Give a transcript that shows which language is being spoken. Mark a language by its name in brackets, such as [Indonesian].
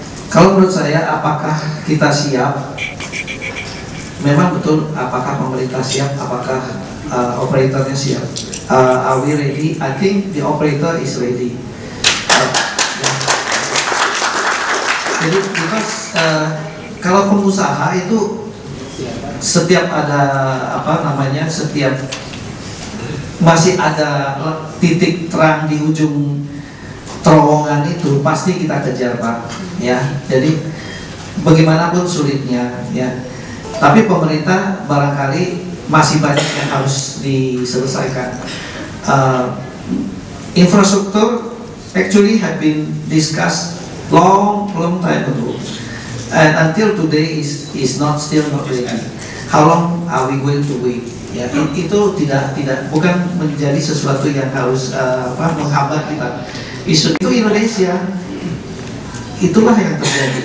[Indonesian] Kalau menurut saya, apakah kita siap? Memang betul, apakah pemerintah siap, apakah operatornya siap? [English] Are we ready? I think the operator is ready. [Indonesian] Jadi because, kalau pengusaha itu setiap ada apa namanya setiap masih ada titik terang di ujung terowongan itu pasti kita kejar Pak ya. Jadi bagaimanapun sulitnya ya. Tapi pemerintah barangkali masih banyak yang harus diselesaikan. [English] Infrastruktur actually have been discussed long time ago, and until today is not still not ready. How long are we going to wait? [Indonesian] Ya, itu tidak bukan menjadi sesuatu yang harus menghambat kita. Isu itu Indonesia, itulah yang terjadi.